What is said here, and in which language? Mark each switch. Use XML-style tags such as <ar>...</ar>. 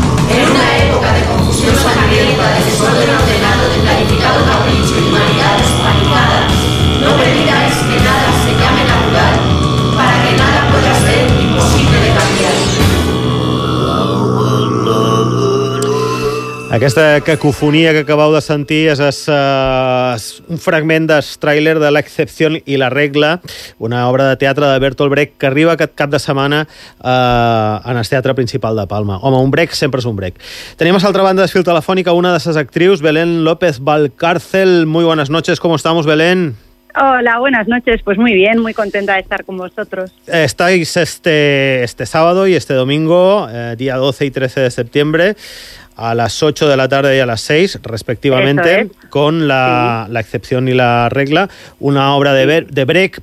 <es>En una época de confusión sangrienta, de desorden ordenado, de planificado capricho, de humanidades panicadas, no permitáis que nada se llame natural, para que nada pueda ser imposible de cambiar.</es> <ca>Aquesta cacofonia que acabeu de sentir és un fragment del tràiler de L'excepció i la regla, una obra de teatre de Bertolt Brecht que arriba aquest cap de setmana en el Teatre Principal de Palma. Home, un Brecht sempre és un Brecht. Tenim a l'altra banda de fil telefònica una de ses actrius, Belén López Valcárcel.</ca> <es>Muy buenas noches, ¿cómo estamos, Belén? Hola, buenas noches. Pues muy bien, muy contenta de estar con vosotros. Estáis este sábado y este domingo, día 12 y 13 de septiembre, a las 8 de la tarde y a las 6, respectivamente, con la excepción y la regla, una obra de Brecht.</es>